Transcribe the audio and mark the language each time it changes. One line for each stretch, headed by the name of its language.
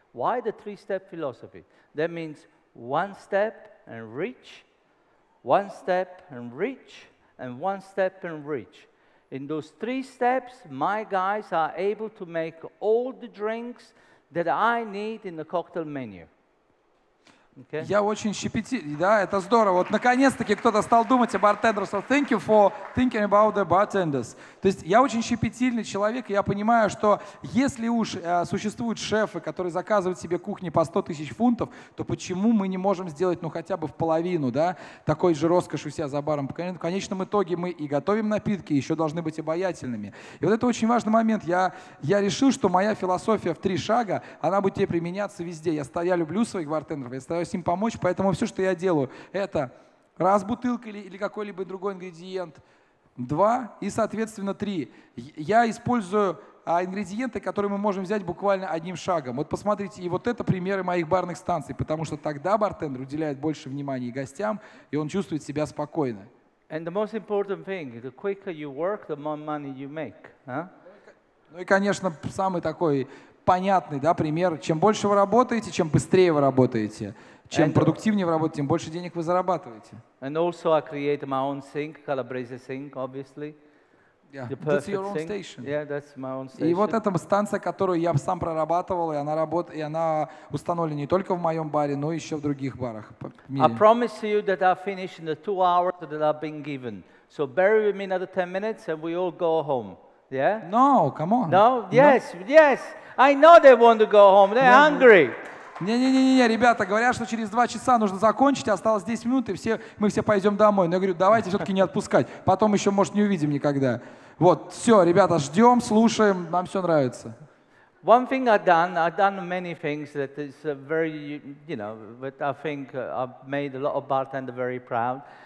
English: Why the three-step philosophy? That means one step and reach, one step and reach, and one step and reach. In those three steps, my guys are able to make all the drinks that I need in the cocktail menu. Okay?
Russian: Я очень щепетильный, да, это здорово. Вот наконец-таки кто-то стал думать о бартендерах.
English: So thank you for thinking about the bartenders.
Russian: То есть я очень щепетильный человек, и я понимаю, что если уж существуют шефы, которые заказывают себе кухни по 100 тысяч фунтов, то почему мы не можем сделать, ну, хотя бы в половину, да, такой же роскошь у себя за баром? В конечном итоге мы и готовим напитки, и еще должны быть обаятельными. И вот это очень важный момент. Я решил, что моя философия в три шага, она будет тебе применяться везде. Я люблю своих бартендеров, я стараюсь им помочь, поэтому все, что я делаю, это раз бутылка или какой-либо другой ингредиент, два и, соответственно, три. Я использую ингредиенты, которые мы можем взять буквально одним шагом. Вот посмотрите, и вот это примеры моих барных станций, потому что тогда бартендер уделяет больше внимания гостям, и он чувствует себя спокойно.
English: And the most important thing, the quicker you work, the more money you make.
Russian: Ну и, конечно, самый такой понятный, да, пример. Чем больше вы работаете, чем быстрее вы работаете. Чем продуктивнее вы работаете, тем больше денег вы зарабатываете.
English: And also I create my own sink, Calabrese sink, obviously. Yeah. The perfect that's your own sink. Station. Yeah, that's my own station.
Russian: И вот эта станция, которую я сам прорабатывал, и она установлена не только в моем баре, но еще в других барах по мире.
English: I promise you that I finish in the 2 hours that I've been given. So bury with me another 10 minutes and we all go home. Yeah? No, come on. No? Yes, no. Yes. I know they want to go home. They're hungry.
Russian: Не-не-не-не, ребята, говорят, что через 2 часа нужно закончить, осталось 10 минут, и мы все пойдем домой. Но я говорю, давайте все-таки не отпускать. Потом еще, может, не увидим никогда. Вот, все, ребята, ждем, слушаем, нам все нравится.
English: One thing I've done many things that is very, you know, but I think I've made a lot of bartenders very proud.